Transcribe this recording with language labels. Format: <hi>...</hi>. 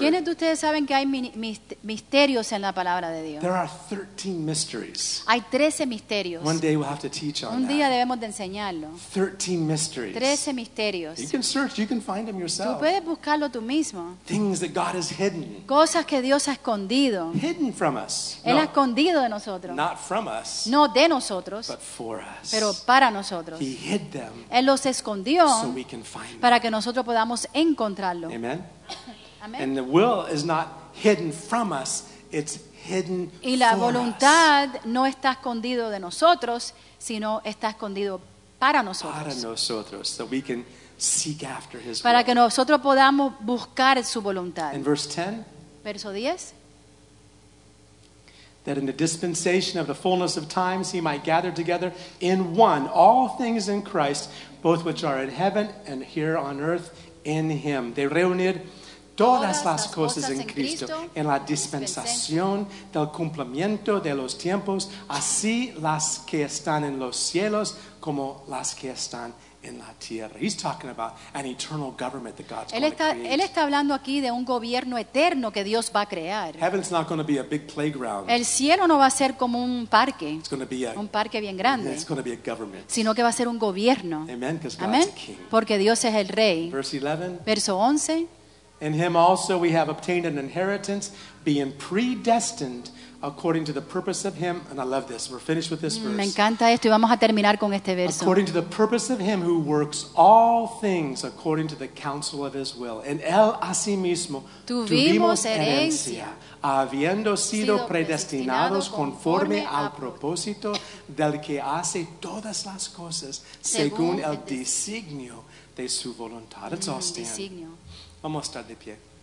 <es>¿Quiénes de ustedes saben que hay misterios en la palabra de Dios?</es> <en>There are 13 mysteries.</en> <es>Hay 13 misterios.</es> <en>One day we'll have to teach on that.</en> <es>Un día debemos de enseñarlo.</es> <en>13 mysteries.</en> <es>13 misterios.</es> <en>You can search, you can find them yourself.</en> <es>Tú puedes buscarlo tú mismo.</es> <en>Things that God has hidden.</en> <es>Cosas que Dios ha escondido.</es> <en>Hidden from us.</en> <es>Él ha escondido de nosotros.</es> <en>Not from us.</en> <es>No de nosotros.</es> <en>But for us.</en> <es>Pero para nosotros.</es> <en>He hid them.</en> <es>Él los escondió.</es> <en>So we can find</en> <es>para que nosotros podamos encontrarlo.</es> <en>Amen.</en> <es>Amen.</es> <en>And the will is not hidden from us, It's hidden.</en> <es>Y la voluntad no está escondido de nosotros, sino está escondido para nosotros. Para nosotros,</es> <en>so we can seek after His will.</en> <es>Para que nosotros podamos buscar su voluntad.</es> <en>In verse 10.</en> <es>Verso 10.</es> <en>That in the dispensation of the fullness of times He might gather together in one all things in Christ, both which are in heaven and here on earth in Him.</en> <es>De reunir todas las cosas en Cristo en la dispensación del cumplimiento de los tiempos, así las que están en los cielos como las que están en la tierra.</es> <en>He's talking about an eternal government that God's going to create.</en> <es>Él está hablando aquí de un gobierno eterno que Dios va a crear.</es> <en>Heaven's not going to be a big playground.</en> <es>El cielo no va a ser como un parque.</es> <en>It's going to be</en> <es>un parque bien grande.</es> <en>It's going to be a government.</en> <es>Sino que va a ser un gobierno.</es> <en>Amen, because God's king.</en> <es>Porque Dios es el rey.</es> <en>Verse 11.</en> <es>Verso 11.</es> <en>In Him also we have obtained an inheritance, being predestined according to the purpose of Him. And I love this. We're finished with this verse.</en> <es>Me encanta esto y vamos a terminar con este verso.</es> <en>According to the purpose of Him who works all things according to the counsel of His will.</en> <es>En Él asimismo tuvimos herencia, habiendo sido predestinados conforme al propósito del que hace todas las cosas según el designio de su voluntad.</es> <en>Let's all stand.</en> <es>Designio. Vamos a estar de pie.</es>